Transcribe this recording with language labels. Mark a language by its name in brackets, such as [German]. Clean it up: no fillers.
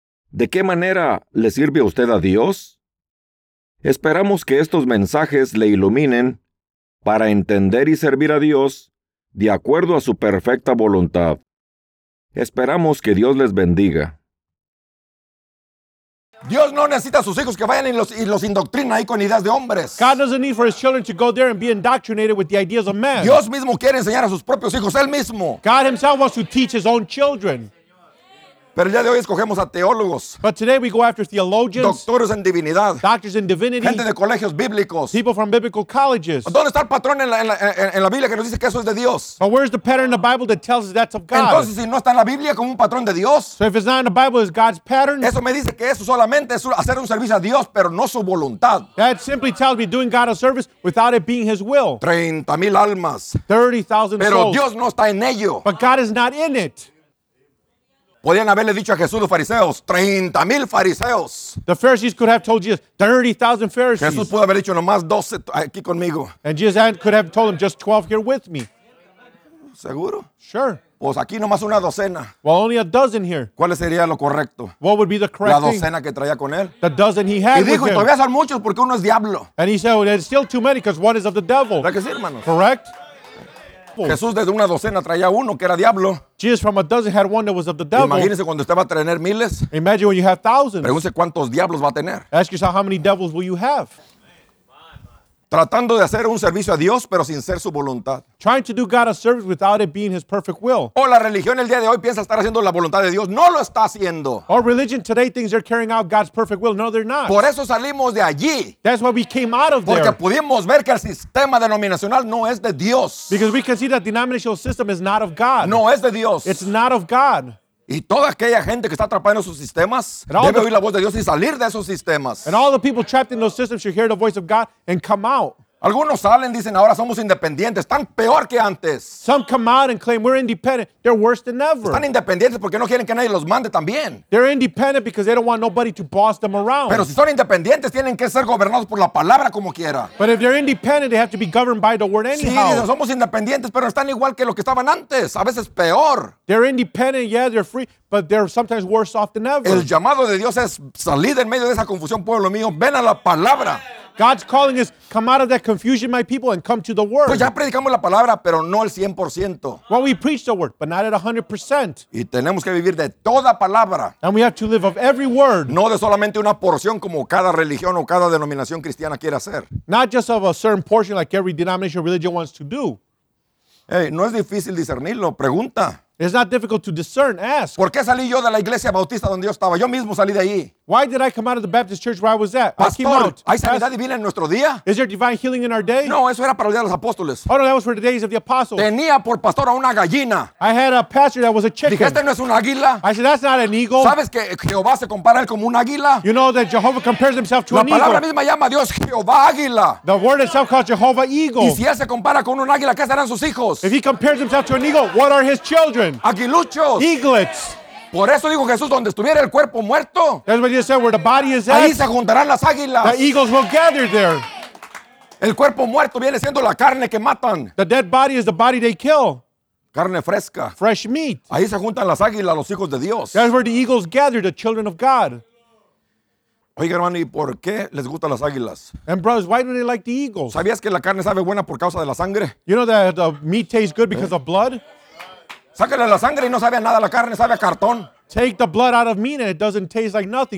[Spanish] ¿De qué manera le sirve a usted a Dios? Esperamos que estos mensajes le iluminen para entender y servir a Dios de acuerdo a su perfecta voluntad. Esperamos que Dios les bendiga. Dios no necesita a sus hijos que vayan y los indoctrina ahí con ideas de hombres. [English] God doesn't need for his children to go there and be indoctrinated with the ideas of men. [Spanish] Dios mismo quiere enseñar a sus propios hijos, él mismo. [English] God himself wants to teach his own children. [Spanish] Pero el día de hoy escogemos a teólogos. [English] But today we go after theologians. [Spanish] Doctores en divinidad. [English] Doctors in divinity. [Spanish] Gente de colegios bíblicos. [English] People from biblical colleges. [Spanish] ¿Dónde está el patrón en la Biblia que nos dice que eso es de Dios? [English] But where's the pattern in the Bible that tells us that's of God? [Spanish] Entonces, si no está en la Biblia como un patrón de Dios. [English] So if it's not in the Bible, it's God's pattern. [Spanish] Eso me dice que eso solamente es hacer un servicio a Dios, pero no su voluntad. [English] That simply tells me doing God a service without it being his will. [Spanish] 30,000 almas. [English] 30,000 [Spanish] pero Pero Dios no está en ello. [English] But God is not in it. [Spanish] Podían haberle dicho a Jesús los fariseos, 30,000 fariseos. [English] The Pharisees could have told Jesus, 30,000 Pharisees. [Spanish] Jesús pudo haber dicho nomás 12 aquí conmigo. [English] And Jesus could have told him just 12 here with me. [Spanish] ¿Seguro? [English] Sure. [Spanish] Pues aquí nomás una docena. [English] Well, only a dozen here. [Spanish] ¿Cuál sería lo correcto? [English] What would be the correct thing? [Spanish] La docena thing? Que traía con él. [English] The dozen he had [Spanish] y dijo, [English] with him. [Spanish] Y dijo, todavía son muchos porque uno es diablo. [English] And he said, well, there's still too many because one is of the devil. [Spanish] ¿Verdad que sí, hermanos? [English] Correct. [Spanish] Jesús desde una docena traía uno que era diablo. [English] Jesus from a dozen had one that was of the devil. [Spanish] Imagínese cuando usted va a tener miles. [English] Imagine when you have thousands. [Spanish] Pregúntese cuántos diablos va a tener. [English] Ask yourself how many devils will you have. [Spanish] Tratando de hacer un servicio a Dios pero sin ser su voluntad. [English] Trying to do God a service without it being his perfect will. [Spanish] O la religión el día de hoy piensa estar haciendo la voluntad de Dios. No lo está haciendo. [English] Or religion today thinks they're carrying out God's perfect will. No, they're not. [Spanish] Por eso salimos de allí. [English] That's why we came out of [Spanish] porque [English] there. [Spanish] Porque pudimos ver que el sistema denominacional no es de Dios. [English] Because we can see that the denominational system is not of God. [Spanish] No es de Dios. [English] It's not of God. [Spanish] Y toda aquella gente que está atrapada en esos sistemas debe oír la voz de Dios y salir de esos sistemas. [English] And all the people trapped in those systems should hear the voice of God and come out. [Spanish] Algunos salen, dicen, ahora somos independientes. Están peor que antes. [English] Some come out and claim we're independent. They're worse than ever. [Spanish] Están independientes porque no quieren que nadie los mande también. [English] They're independent because they don't want nobody to boss them around. [Spanish] Pero si son independientes, tienen que ser gobernados por la palabra como quiera. [English] But if they're independent, they have to be governed by the word anyhow. [Spanish] Sí, dicen, somos independientes, pero están igual que lo que estaban antes. A veces peor. [English] They're independent, yeah, they're free. But they're sometimes worse off than ever. [Spanish] El llamado de Dios es salir en medio de esa confusión, pueblo mío. Ven a la palabra. [English] God's calling is, come out of that confusion, my people, and come to the Word. [Spanish] Pues ya predicamos la palabra, pero no al 100%. [English] Well, we preach the Word, but not at 100%. [Spanish] Y tenemos que vivir de toda palabra. [English] And we have to live of every Word. [Spanish] No de solamente una porción como cada religión o cada denominación cristiana quiere hacer. [English] Not just of a certain portion like every denomination or religion wants to do. [Spanish] Hey, no es difícil discernirlo, pregunta. [English] It's not difficult to discern, ask. [Spanish] ¿Por qué salí yo de la iglesia bautista donde yo estaba? Yo mismo salí de ahí. [English] Why did I come out of the Baptist church where I was at? [Spanish] Pastor, [English] I came out. [Spanish] ¿Hay sanidad divina en nuestro día? [English] Is there divine healing in our day? [Spanish] No, eso era para el día de los apóstoles. [English] Oh, no, that was for the days of the apostles. [Spanish] Tenía por pastor a una gallina. [English] I had a pastor that was a chicken. [Spanish] Dije, este no es un águila. [English] I said, that's not an eagle. [Spanish] ¿Sabes que Jehová se compara él como un águila? [English] You know that Jehovah compares himself to [Spanish] la [English] an eagle. [Spanish] La palabra misma llama a Dios Jehová águila. [English] The word itself calls Jehovah eagle. [Spanish] Y si él se compara con un águila, ¿qué serán sus hijos? [English] If he compares himself to an eagle, what are his children? [Spanish] Aguiluchos. [English] Eaglets. [Spanish] Por eso dijo Jesús, donde estuviera el cuerpo muerto. [English] That's what he said, where the body is at. [Spanish] Ahí se juntarán las águilas. [English] The eagles will gather there. [Spanish] El cuerpo muerto viene siendo la carne que matan. [English] The dead body is the body they kill. [Spanish] Carne fresca. [English] Fresh meat. [Spanish] Ahí se juntan las águilas, los hijos de Dios. [English] That's where the eagles gather, the children of God. [Spanish] Oiga, hermano, ¿y por qué les gustan las águilas? [English] And brothers, why do they like the eagles? [Spanish] ¿Sabías que la carne sabe buena por causa de la sangre? [English] You know that the meat tastes good because of blood? [Spanish] Sácale la sangre y no sabe a nada, la carne sabe a cartón. [English] Take the blood out of meat and it doesn't taste like nothing.